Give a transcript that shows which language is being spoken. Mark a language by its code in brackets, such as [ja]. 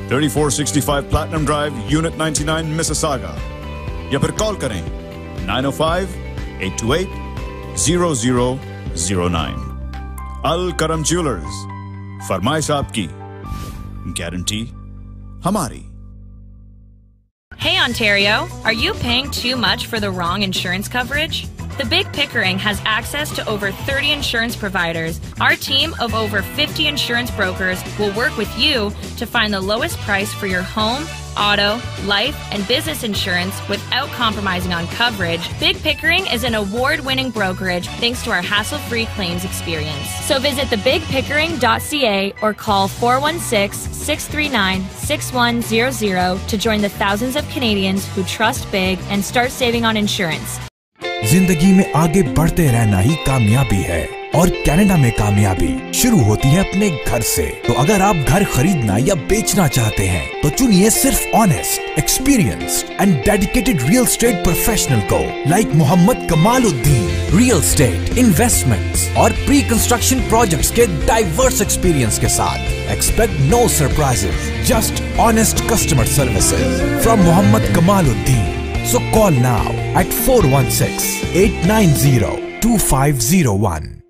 [ur] 3465 platinum drive unit 99 مسساگا یا پھر کال کریں 905-828-0009 الکرم جیولرز فرمائش آپ کی گارنٹی ہماری [en] Hey Ontario, are you paying too much for the wrong insurance coverage? The Big Pickering has access to over 30 insurance providers. Our team of over 50 insurance brokers will work with you to find the lowest price for your home, auto, life, and business insurance without compromising on coverage. Big Pickering is an award-winning brokerage thanks to our hassle-free claims experience. So visit thebigpickering.ca or call 416-639-6100 to join the thousands of Canadians who trust Big and start saving on insurance. [ur] زندگی میں آگے بڑھتے رہنا ہی کامیابی ہے اور Canada میں کامیابی شروع ہوتی ہے اپنے گھر سے تو اگر آپ گھر خریدنا یا بیچنا چاہتے ہیں تو چنیے صرف [en] honest experienced and dedicated real estate professional [ur] کو لائک محمد کمال الدین ریئل اسٹیٹ انویسٹمنٹس اور پری کنسٹرکشن پروجیکٹس کے ڈائیورس ایکسپیرینس کے ساتھ [en] expect no surprises just honest customer services from [ur] Muhammad Kamal Uddin [en] So call now at 416-890-2501.